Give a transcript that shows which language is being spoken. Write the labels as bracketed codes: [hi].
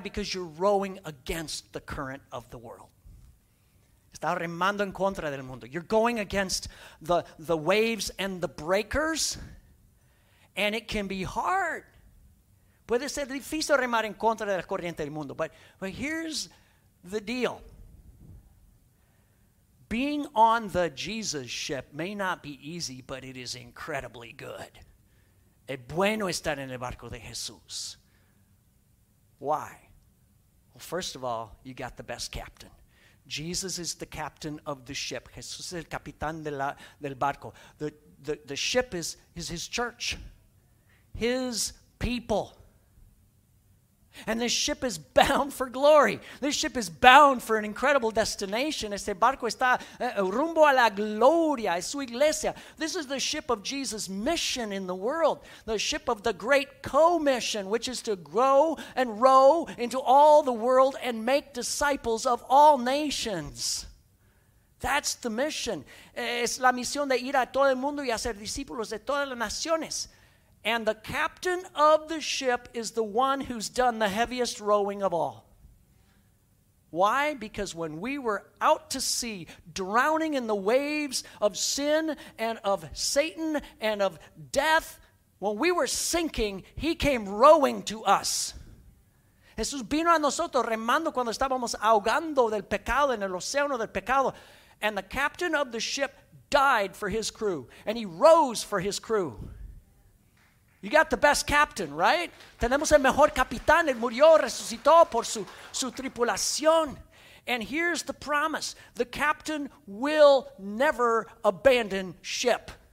[en] Because you're rowing against the current of the world. [es] Está remando en contra del mundo. [en] You're going against the waves and the breakers, and it can be hard. [es] Puede ser difícil remar en contra de la corriente del mundo. [en] But here's the deal. Being on the Jesus ship may not be easy, but it is incredibly good. [es] Es bueno estar en el barco de Jesús. [en] Why? Well, first of all, you got the best captain. Jesus is the captain of the ship. [es] Jesús es el capitán del barco. [en] The ship is his church, his people. And this ship is bound for glory. This ship is bound for an incredible destination. [es] Este barco está rumbo a la gloria, es su iglesia. [en] This is the ship of Jesus' mission in the world, the ship of the great commission, which is to go and row into all the world and make disciples of all nations. That's the mission. [es] Es la misión de ir a todo el mundo y hacer discípulos de todas las naciones. [en] And the captain of the ship is the one who's done the heaviest rowing of all. Why? Because when we were out to sea, drowning in the waves of sin and of Satan and of death, When we were sinking, he came rowing to us. [es] Jesús vino a nosotros remando cuando estábamos ahogando del pecado en el océano del pecado. [en] And the captain of the ship died for his crew. And he rose for his crew. You got the best captain, right? [es] Tenemos el mejor capitán. Él murió, resucitó por su tripulación. [en] And here's the promise. The captain will never abandon ship.